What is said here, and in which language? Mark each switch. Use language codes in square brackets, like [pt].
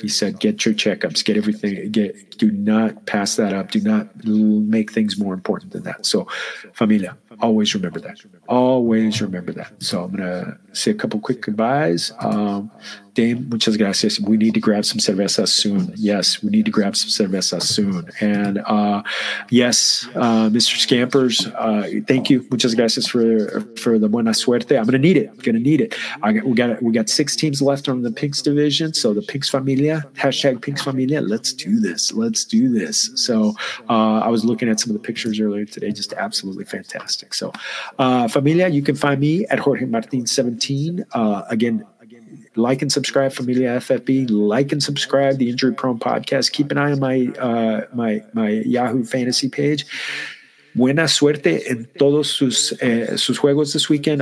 [en] He said, get your checkups, get everything, get, do not pass that up. Do not make things more important than that. So familia, always remember that. Always remember that. So I'm going to say a couple quick goodbyes. Dame, [es] muchas gracias. [en] We need to grab some cerveza soon. Yes, we need to grab some cerveza soon. And yes, Mr. Scampers, thank you. [es] Muchas gracias [en] for the [es] buena suerte. [en] I'm going to need it. I'm going to need it. We got six teams left on the Pinks division. So the Pinks Familia, hashtag Pinks Familia. Let's do this. Let's do this. So I was looking at some of the pictures earlier today. Just absolutely fantastic. So Familia, you can find me at Jorge Martin 17. Again, like and subscribe, Familia FFB. Like and subscribe, the Injury Prone Podcast. Keep an eye on my Yahoo Fantasy page. [es] Buena suerte en todos sus juegos [en] this weekend.